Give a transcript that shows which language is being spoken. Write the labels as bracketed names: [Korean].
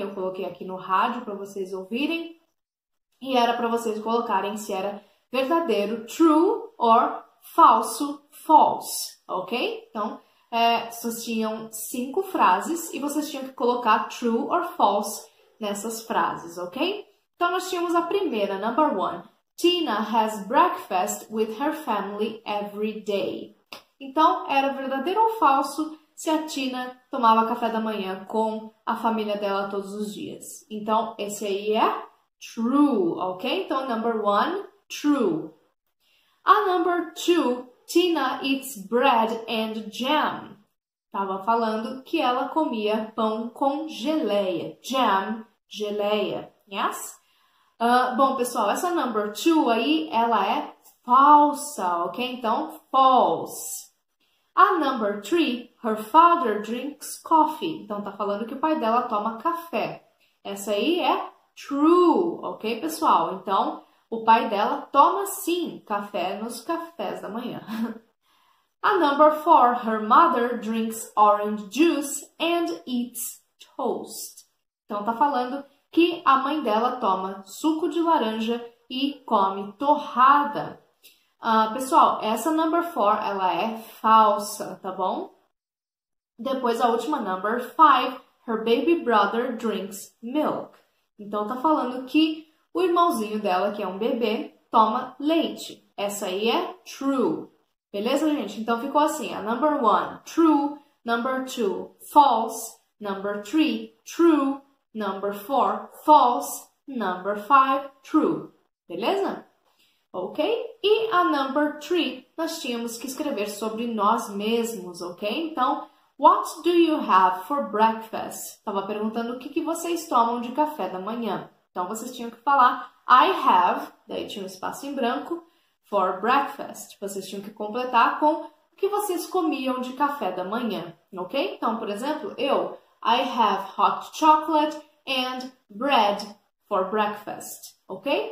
[Portuguese] Eu coloquei aqui no rádio para vocês ouvirem. E era para vocês colocarem se era verdadeiro, true, or falso, false, ok? Então. Vocês tinham cinco frases e vocês tinham que colocar true or false nessas frases, ok? Então nós tínhamos a primeira, number one. [English] Tina has breakfast with her family every day. [Portuguese] Então, era verdadeiro ou falso se a Tina tomava café da manhã com a família dela todos os dias? Então, esse aí é true, ok? Então, number one, true. [English] A number two, Tina eats bread and jam. [Portuguese] Estava falando que ela comia pão com geleia. Jam, geleia. Yes? Bom, pessoal, essa number two aí, ela é falsa, ok? Então, false. [English] A number three, her father drinks coffee. [Portuguese] Então, tá falando que o pai dela toma café. Essa aí é true, ok, pessoal? Então, o pai dela toma sim café nos cafés da manhã. [English] A number four, her mother drinks orange juice and eats toast. [Portuguese] Então, tá falando que a mãe dela toma suco de laranja e come torrada. Pessoal, essa number four, ela é falsa, tá bom? Depois, a última, [English] number five, her baby brother drinks milk. [Portuguese] Então, tá falando que o irmãozinho dela, que é um bebê, toma leite. Essa aí é true. Beleza, gente? Então ficou assim: a [English] number one, true, number two, false, number three, true, number four, false, number five, true. [Portuguese] Beleza? Ok? E a number three, nós tínhamos que escrever sobre nós mesmos, ok? [English] Então, what do you have for breakfast? [Portuguese] Estava perguntando o que que vocês tomam de café da manhã. Então, vocês tinham que falar [English] I have, [Portuguese] daí tinha um espaço em branco. For breakfast, vocês tinham que completar com o que vocês comiam de café da manhã, ok? Então, por exemplo, eu, [English] I have hot chocolate and bread for breakfast, ok?